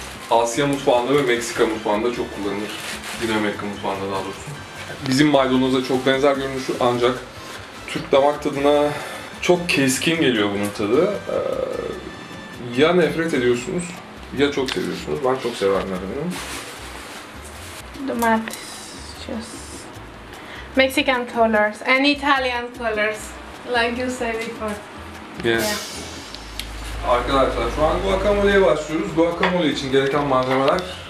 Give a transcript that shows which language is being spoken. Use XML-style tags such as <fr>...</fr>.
<tr>Asya mutfağında ve Meksika mutfağında çok kullanılır. Güney Amerika mutfağında daha doğrusu. Bizim maydanoza çok benzer görünüşü ancak Türk damak tadına çok keskin geliyor bunun tadı. Ya nefret ediyorsunuz ya çok seviyorsunuz. Ben çok sevenlerim.</tr> <en>Domates, just Mexican colors and Italian colors, like you said before. Yes. Yeah.</en> <tr>Arkadaşlar şu an guacamole'ye başlıyoruz. Guacamole için gereken malzemeler.</tr>